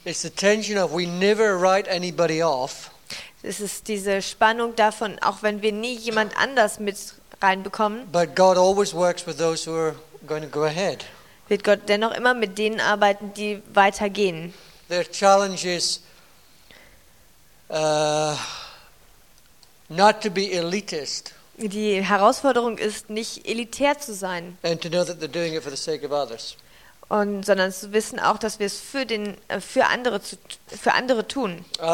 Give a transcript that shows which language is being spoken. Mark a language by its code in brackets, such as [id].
[en] It's the tension of we never write anybody off. [de] Es ist diese Spannung davon, auch wenn wir nie jemand anders mit reinbekommen. [en] But God always works with those who are going to go ahead. [de] Wird Gott dennoch immer mit denen arbeiten, die weitergehen. [en] Their challenge is not to be elitist. [de] Die Herausforderung ist, nicht elitär zu sein. [en] And to know that they're doing it for the sake of others. [de] Und sondern zu wissen auch, dass wir es für andere tun.